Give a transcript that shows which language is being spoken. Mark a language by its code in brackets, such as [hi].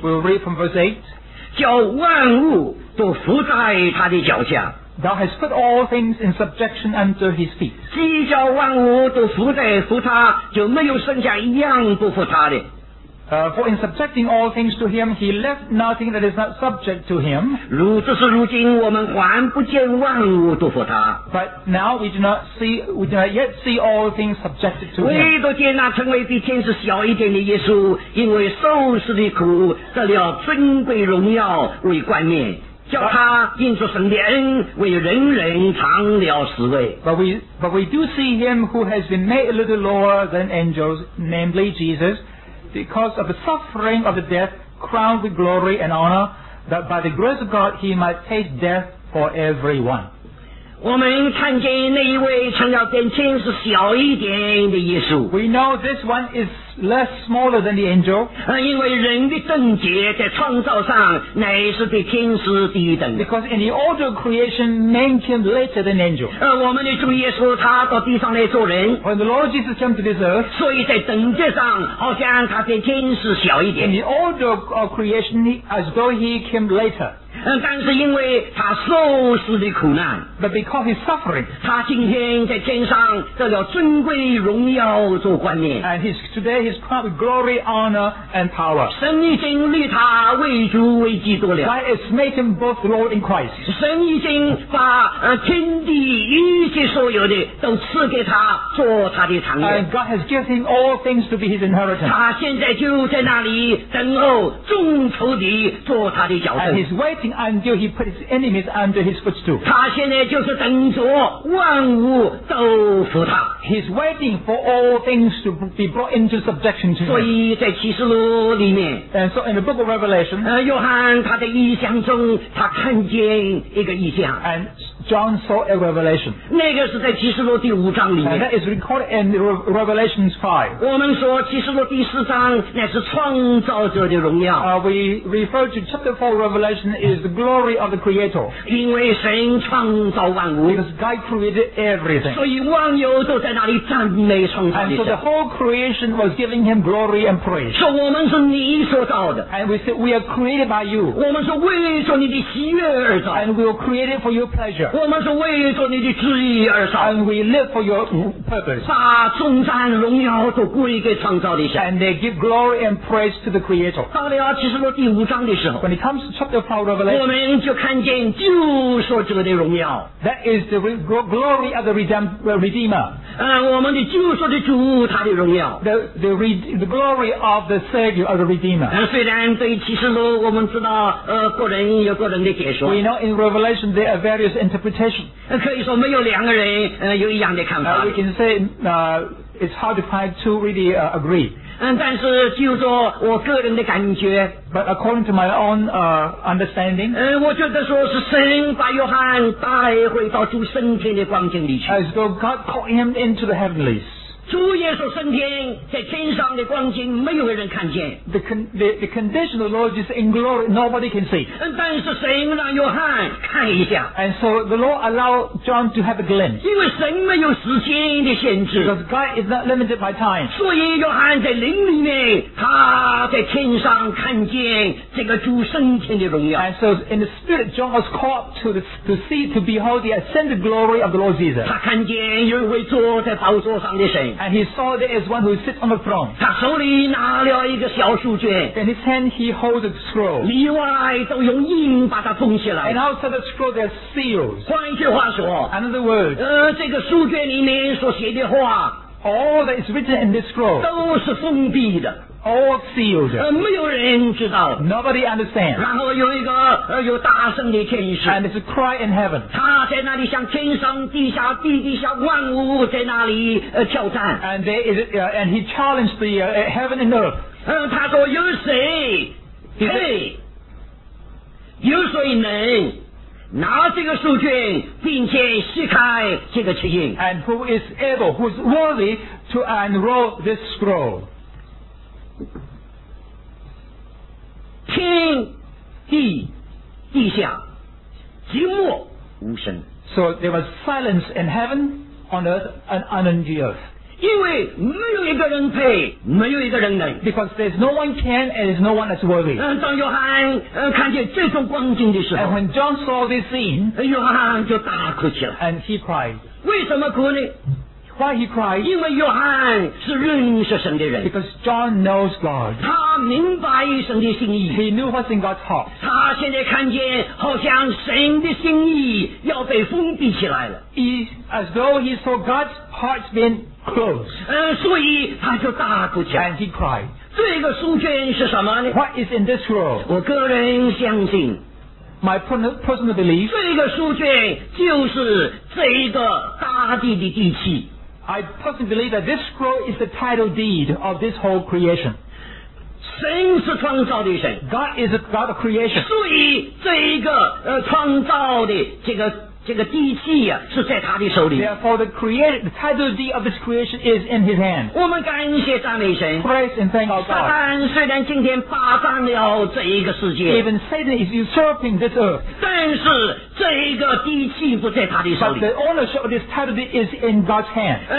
[en] We'll read from verse 8 [zh] 叫万物都伏在他的脚下 [en] Thou hast put all things in subjection under his feet [zh] 既叫万物都伏在服他就没有剩下一样不服他的 [en] For in subjecting all things to him, he left nothing that is not subject to him. [zh] 如此是如今我们还不见万物都服他。 [en] But now we do not yet see all things subjected to him. [zh] 唯独见那成为比天使小一点的耶稣，因为受死的苦，得了尊贵荣耀为冠冕。叫他应着神的恩为人人尝了滋味 [en] But we do see him who has been made a little lower than angels, namely Jesus. Because of the suffering of the death, crowned with glory and honor, that by the grace of God he might taste death for everyone. [zh] 我们看见那一位成了跟天使小一点的耶稣。 [en] We know this one is less smaller than the angel. [zh] 因为人的圣洁在创造上乃是比天使低等。 [en] Because in the order of creation, man came later than angel. [zh] 我们的主耶稣他到地上来做人。 [en] When the Lord Jesus came to this earth, [zh] 所以在等级上好像他比天使小一点。 [en] In the order of creation, as though he came later. [zh] 但是因为他受死的苦难 [en] But because he's suffering [zh] 他今天在天上得了尊贵荣耀做冠冕 [en] And today he's crowned with glory, honor and power [zh] 神已经立他为主为基督了 [en] God has made him both Lord and Christ [zh] 神已经把天地一切所有的都赐给他做他的产业 [en] And God has given him all things to be his inheritance [zh] 他现在就在那里等候众仇敌做他的脚凳 [en] And he's waitingUntil he put his enemies under his footstool. [zh] 他现在就是等着万物都服他。 [en] He's waiting for all things to be brought into subjection to him. [zh] 所以在启示录里面。 [en] And so in the book of Revelation. [zh] 约翰他的异象中，他看见一个异象。 [en] And John saw a revelation. [zh] 那个是在启示录第五章里面。 [en] And that is recorded in Revelation 5. [zh] 我们说启示录第四章乃是创造者的荣耀。 [en] We refer to chapter 4 Revelation. Is the glory of the Creator. Because God created everything. And so the whole creation was giving him glory and praise. And we said, We are created by you. And we were created for your pleasure. And we live for your purpose. And they give glory and praise to the Creator. When it comes to chapter 4 [zh] 我们就看见救赎者的荣耀 [en] That is the glory of the Redeemer [zh] 我们的救赎的主他的荣耀 [en] the glory of the Savior of the Redeemer [zh] 虽然对启示录我们知道个人有个人的解说 [en] We know in Revelation there are various interpretations [zh] 可以说没有两个人有一样的看法 [en] We can say it's hard to find two really agree [zh] 但是就说我个人的感觉 [en] But according to my own understanding [zh] 我觉得说是神把约翰带回到主升天的光景里去 [en] As though God caught him into the heavenlies [zh] 主耶稣升天在天上的光景没有人看见 [en] the condition of the Lord is in glory nobody can see [zh] 但是神让约翰看一下 [en] And so the Lord allowed John to have a glimpse [zh] 因为神没有时间的限制 [en] Because God is not limited by time [zh] 所以约翰在灵里面他在天上看见这个主升天的荣耀 [en] And so in the spirit John was called to see to behold the ascended glory of the Lord Jesus [zh] 他看见有一位坐在宝座上的神 [en] And he saw there is one who sits on the throne [zh] 他手里拿了一个小书卷 [en] In his hand he holds a scroll [zh] 里外都用印把它封起来 [en] And outside the scroll there are seals [zh] 换一句话说 [en] Another word [zh] 这个书卷里面所写的话 [en] All that is written in this scroll [zh] 都是封闭的 [en] All sealed [zh] 没有人知道 [en] Nobody understands [zh] 然后有一个有大声的天使 [en] And it's a cry in heaven [zh] 他在那里向天上地下地底下万物在那里挑战 [en] And, there is, and he challenged the heaven and earth [zh] 他说有谁 Hey 有谁能拿这个书卷并且撕开这个契印 [en] and who is able who is worthy to unroll this scroll [zh] 天地地下寂寞无声 [en] so there was silence in heaven on earth and on the earth [zh] 因为没有一个人配没有一个人能 [en] because there's no one can and there's no one that's worthy [zh] 当约翰看见这种光景的时候 [en] and when John saw this scene [zh] 约翰就大哭起来 [en] and he cried [zh] 为什么哭呢 [en] why he cried [zh] 因为约翰是认识神的人 [en] because John knows God [zh] 他明白神的心意 [en] he knew what's in God's heart [zh] 他现在看见好像神的心意要被封闭起来了 [en] he, as though he saw God's heart's beenClose. [zh] 所以他就大哭起来 [en] And he cried [zh] 这个书卷是什么呢 [en] What is in this scroll [zh] 我个人相信 [en] My personal belief [zh] 这个书卷就是这一个大地的地契 [en] I personally believe that this scroll is the title deed of this whole creation [zh] 神是创造的神 [en] God is the God of creation [zh] 所以这一个创造的这个地契啊，是在他的手里。 [en] Therefore, the creator, the title deed of this creation is in his hand. [zh] 我们感谢赞美神。 [en] Praise and thank our God. [zh] 撒旦虽然今天霸占了这一个世界。 [en] Even Satan is usurping this earth. [zh] 但是这一个地契不在他的手里。 [en] But the ownership of this title deed is in God's hand.